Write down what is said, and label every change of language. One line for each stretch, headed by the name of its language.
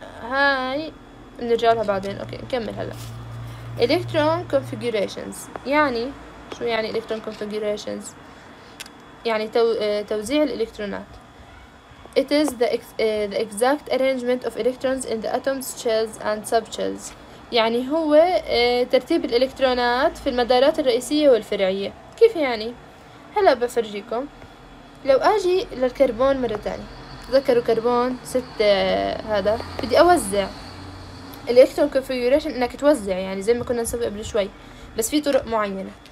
Arabic: هاي نرجع لها بعدين. اوكي نكمل هلا. الكترون كونفيجوريشنز، يعني شو يعني الكترون كونفيجوريشنز؟ يعني توزيع الالكترونات.
English: It is the exact arrangement of electrons in the atoms, shells and subshells.
Arabic: يعني هو ترتيب الالكترونات في المدارات الرئيسية والفرعية. كيف يعني؟ هلا بفرجيكم. لو اجي للكربون مرة تانية، تذكروا كربون ستة، هذا بدي اوزع الالكترون كونفيجوريشن، انك توزع يعني زي ما كنا نسوي قبل شوي، بس في طرق معينه.